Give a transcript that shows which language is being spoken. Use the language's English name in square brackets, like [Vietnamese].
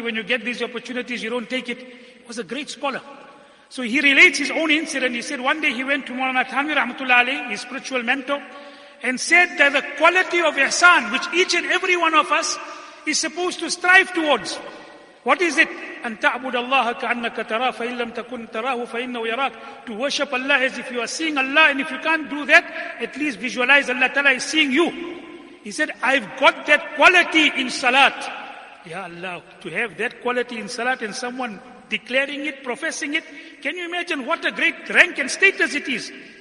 [English] When you get these opportunities, you don't take it. He was a great scholar. So he relates his own incident. He said one day he went to Maulana Thanvi Rahmatullah Ali, his spiritual mentor, and said that the quality of ihsan, which each and every one of us is supposed to strive towards, what is it? [Arabic] أن تعبد الله كأنك ترى فإن لم تكن تراه فإنه يراك. [English] To worship Allah as if you are seeing Allah, and if you can't do that, at least visualize Allah Ta'ala is seeing you. He said, I've got that quality in salat. Ya Allah, to have that quality in salat and someone declaring it, professing it, can you imagine what a great rank and status it is?